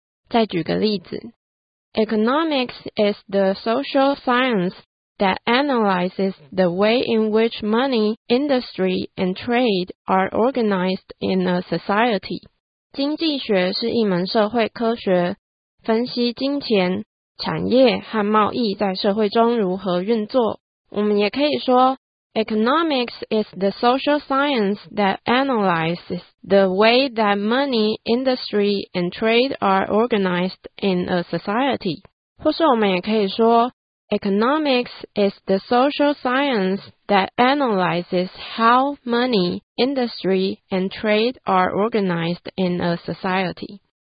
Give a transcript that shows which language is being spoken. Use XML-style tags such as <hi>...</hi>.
<zh>再举个例子，</zh> <en>Economics is the social scienceThat analyzes the way in which money, industry, and trade are organized in a society.</en> <zh>经济学是一门社会科学，分析金钱、产业和贸易在社会中如何运作。我们也可以说</zh> <en>，Economics is the social science that analyzes the way that money, industry, and trade are organized in a society.</en> <zh>或是我们也可以说</zh> <en>Economics is the social science that analyzes how money, industry, and trade are organized in a society.</en>